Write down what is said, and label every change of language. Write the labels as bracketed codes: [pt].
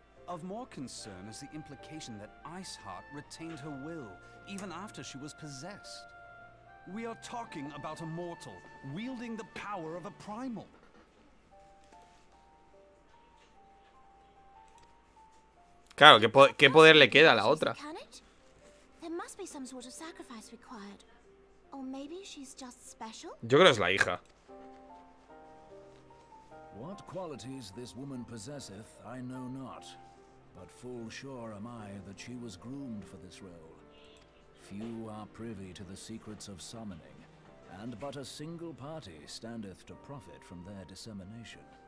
[en] Of more concern is the implication that Iceheart retained her will, even after she was possessed. We are talking about a mortal, wielding the power of a primal. [es] Claro, ¿qué poder le queda a la otra? [en] There must be some sort of sacrifice required. Or maybe she's just special? [es] Yo creo que es la hija. [en] What qualities this woman possesseth, I know not. But full sure am I that she was groomed for this role. Few are privy to the secrets of summoning, and but a single party standeth to profit from their dissemination.